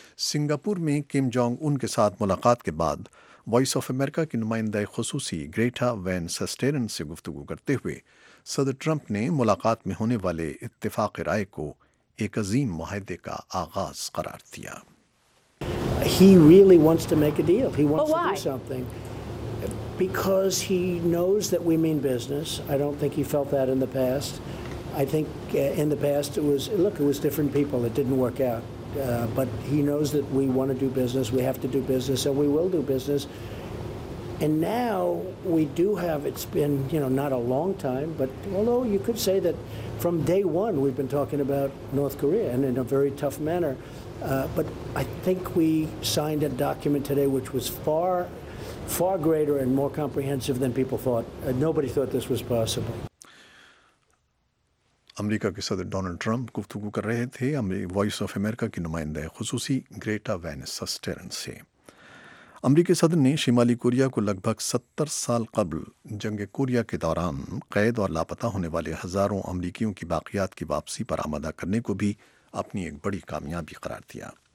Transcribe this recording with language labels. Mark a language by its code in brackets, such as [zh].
[ur] Singapore میں Kim Jong Un کے ساتھ ملاقات کے بعد وائس آف امریکہ کی نمائندہ خصوصی گریٹا وین سسٹیرن سے گفتگو کرتے ہوئے صدر ٹرمپ نے ملاقات میں ہونے والے اتفاق رائے کو ایک عظیم معاہدے کا آغاز قرار دیا. [en] He really wants to make a deal. He wants to do something. Because he knows that we mean business. I don't think he felt that in the past. I think in the past it was, look, it was different people. It didn't work out. But he knows that we want to do business. We have to do business, and we will do business. And now we do have, it's been, you know, not a long time, but although you could say that from day one we've been talking about North Korea and in a very tough manner. But I think we signed a document today which was far, far greater and more comprehensive than people thought. Nobody thought this was possible. [ur] امریکہ کے صدر Donald Trump گفتگو کر رہے تھے voice of America کی نمائندہ خصوصی Greta وینسا Stern سے. امریکی صدر نے شمالی کوریا کو لگ بھگ 70 سال قبل جنگ کوریا کے دوران قید اور لاپتہ ہونے والے ہزاروں امریکیوں کی باقیات کی واپسی پر آمادہ کرنے کو بھی اپنی ایک بڑی کامیابی قرار دیا.